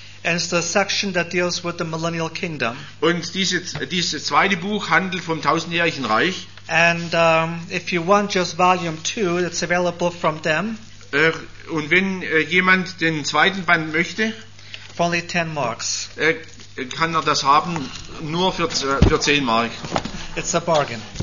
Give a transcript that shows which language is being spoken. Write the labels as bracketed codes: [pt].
[en] And it's the section that deals with the millennial kingdom. [de] Und dieses zweite Buch handelt vom tausendjährigen Reich. [en] And if you want just volume 2, it's available from them. [de] Und wenn jemand den zweiten Band möchte, [en] for only 10 marks. [de] Kann er das haben nur für 10 Mark. [en] It's a bargain.